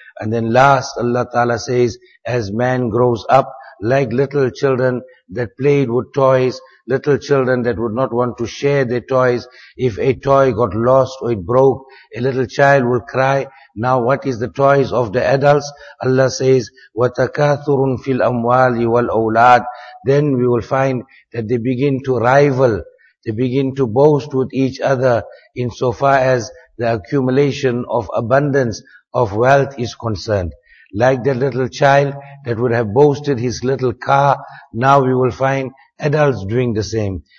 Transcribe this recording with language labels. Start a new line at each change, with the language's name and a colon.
English: And then last, Allah ta'ala says, as man grows up, like little children that played with toys, little children that would not want to share their toys, if a toy got lost or it broke, a little child will cry. Now what is the toys of the adults? Allah says,
Arabic: وَتَكَاثُرٌ فِي الْأَمْوَالِ وَالْأَوْلَادِ.
English: Then we will find that they begin to rival, they begin to boast with each other insofar as the accumulation of abundance of wealth is concerned. Like that little child that would have boasted his little car, now we will find adults doing the same.